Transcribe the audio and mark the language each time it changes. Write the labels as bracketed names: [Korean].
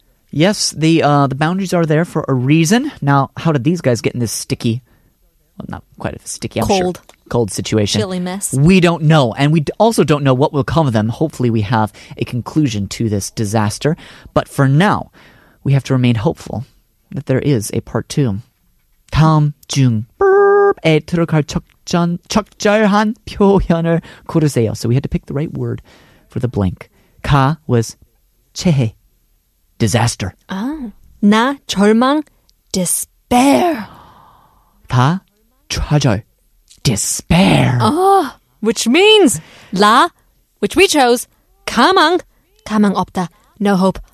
[English] Yes, the boundaries are there for a reason. Now, how did these guys get in this sticky... Well, not quite a sticky, I'm cold. Sure. Cold situation. Chilly mess. We don't know. And we also don't know what will come of them. Hopefully we have a conclusion to this disaster. But for now, we have to remain hopeful that there is a part two. [Korean] 다음 중 에 들어갈 적절한 표현을 고르세요. [English] So we had to pick the right word for the blank. 가 was 최해. Disaster. Oh. [Korean] 나 절망, [English] despair. [Korean] 다 좌절, despair. [English] Oh, which means 라, which we chose, [Korean] 가망, 가망 없다, [English] no hope,